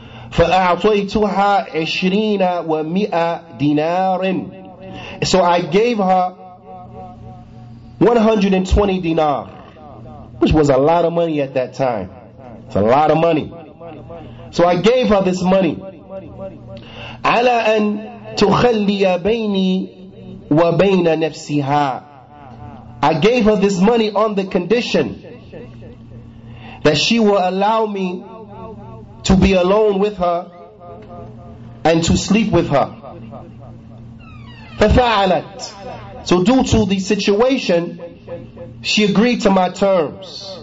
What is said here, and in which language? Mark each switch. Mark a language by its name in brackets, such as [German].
[Arabic] فأعطيتها عشرين ومئة دينار. [English] So I gave her 120 dinar, which was a lot of money at that time. It's a lot of money. So I gave her this money. [Arabic] على أن تخلي بيني وبين نفسها. [English] I gave her this money on the condition that she will allow me to be alone with her and to sleep with her. [Arabic] ففعلت. [English] So due to the situation, she agreed to my terms.